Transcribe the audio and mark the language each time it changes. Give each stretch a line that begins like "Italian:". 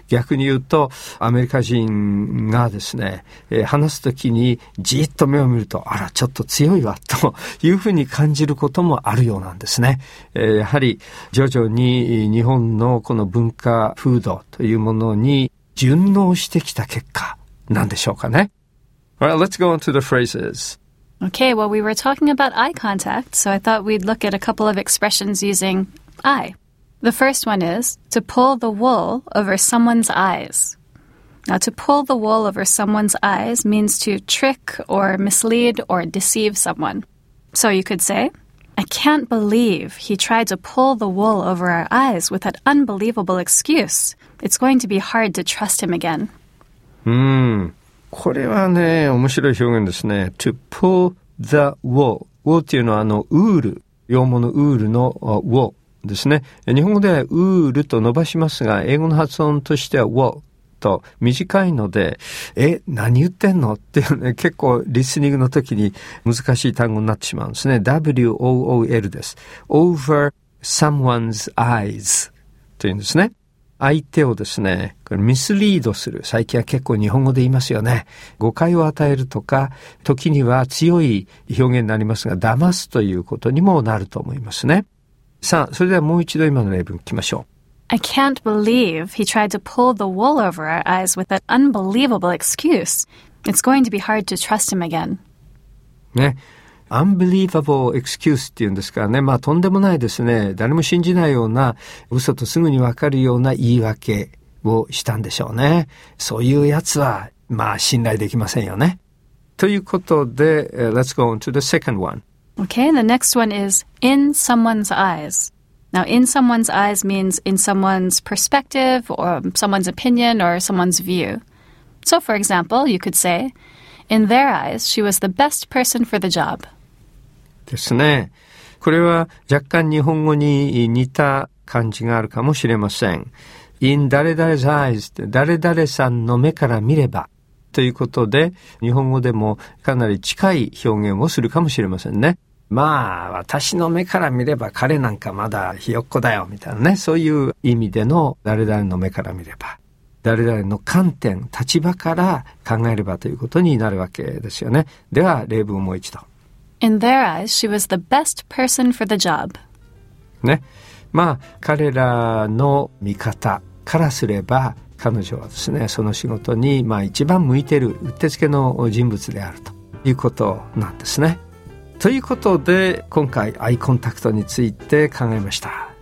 Japanese: 逆に言うと、アメリカ人がですね、話すときにじっと目を見ると、あら、ちょっと強いわ、というふうに感じることもあるようなんですね。やはり、徐々に日本のこの文化、風土というものに順応してきた結果、なんでしょうかね。
English: All right, let's go on to the phrases. Okay, well, we were talking about eye contact, so I thought we'd look at a couple of expressions using eye. The first one is to pull the wool over someone's eyes. Now, to pull the wool over someone's eyes means to trick or mislead or deceive someone. So you could say, I can't believe he tried to pull the wool over our eyes with that unbelievable excuse. It's going to be hard to trust him again.
Japanese: これはね、面白い表現ですね。
English: To pull the wool.
Japanese: Wool っていうのはあのウール、羊毛のウールの wool ですね。日本語ではウールと伸ばしますが、英語の発音としては wool と短いので、何言ってんのっていうね、結構リスニングの時に難しい単語になってしまうんですね。 WOOL です。
English: Over someone's eyes
Japanese: というんですね。相手をですね、これミスリードする。最近は結構日本語で言いますよね。誤解を与えるとか、時には強い表現になりますが、騙すということにもなると思いますね。さあ、それではもう一度今の例文聞きましょう。
English: I can't believe he tried to pull the wool over our eyes with that unbelievable excuse. It's going to be hard to trust him again.
Japanese: ね。
English: Unbelievable excuse
Japanese: っていうんですからね。まあ、とんでもないですね。誰も信じないような嘘とすぐにわかるような言い訳をしたんでしょうね。そういうやつは、まあ、信頼できませんよね。ということで、
English: let's go on to the second one. Okay, the next one is in someone's eyes. Now, in someone's eyes means in someone's perspective or someone's opinion or someone's view. So, for example, you could say,In their eyes, she was the best person for the job.
Japanese: ですね。これは若干日本語に似た感じがあるかもしれません。 In 誰々's eyes, 誰々さんの目から見ればということで、日本語でもかなり近い表現をするかもしれませんね。まあ、私の目から見れば彼なんかまだひよっこだよみたいなね。そういう意味での誰々の目から見れば。誰々の観点、立場から考えればということになるわけですよね。では、例文をもう一度。
English: In their eyes, she was the best person for the job.
Japanese: ね。まあ、彼らの見方からすれば、彼女はですね、その仕事に、まあ、一番向いている、うってつけの人物であるということなんですね。ということで、今回、アイコンタクトについて考えました。